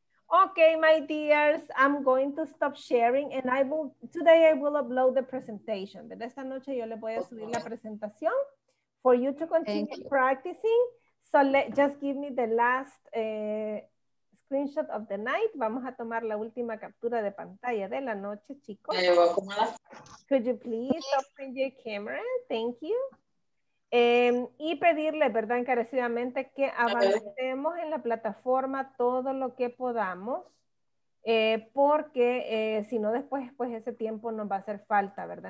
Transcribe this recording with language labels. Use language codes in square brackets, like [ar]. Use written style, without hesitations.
[en] Ok, my dears, I'm going to stop sharing and today I will upload the presentation, ¿verdad? [es] Esta noche yo les voy a subir la presentación. [en] For you to continue practicing, so just give me the last screenshot of the night. [es] Vamos a tomar la última captura de pantalla de la noche, chicos. [en] Could you please open your camera? Thank you. [es] Y pedirle, ¿verdad? Encarecidamente que avancemos en la plataforma todo lo que podamos, porque si no después, pues ese tiempo nos va a hacer falta, ¿verdad?